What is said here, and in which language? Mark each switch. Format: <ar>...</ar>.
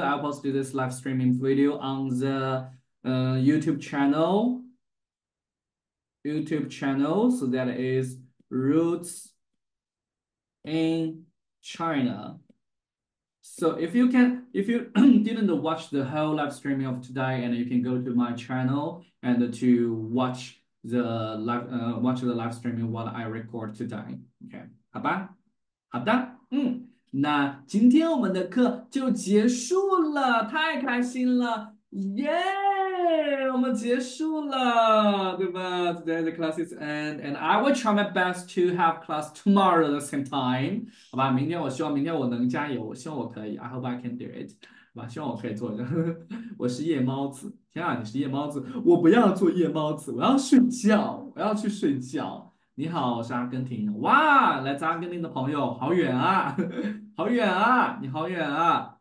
<en>I'll post this live streaming video on the YouTube channel, so that is Roots in China. So if you can, if you didn't watch the whole live streaming of today, and you can go to my channel and to watch the live streaming while I record today.</en> <zh>Okay, 好吧，好的，那今天我们的课就结束了，太开心了。 Yay! 我们结束了，对吧？</zh> <en>Today the class is end, and I will try my best to have class tomorrow at the same time.</en> <zh>好吧，明天我希望明天我能加油，我希望我可以。</zh> <en>I hope I can do it.</en> <zh>好吧，希望我可以做。我是夜猫子，天啊，你是夜猫子！我不要做夜猫子，我要睡觉，我要去睡觉。你好，我是阿根廷。哇，来自阿根廷的朋友，好远啊，好远啊，你好远啊！</zh>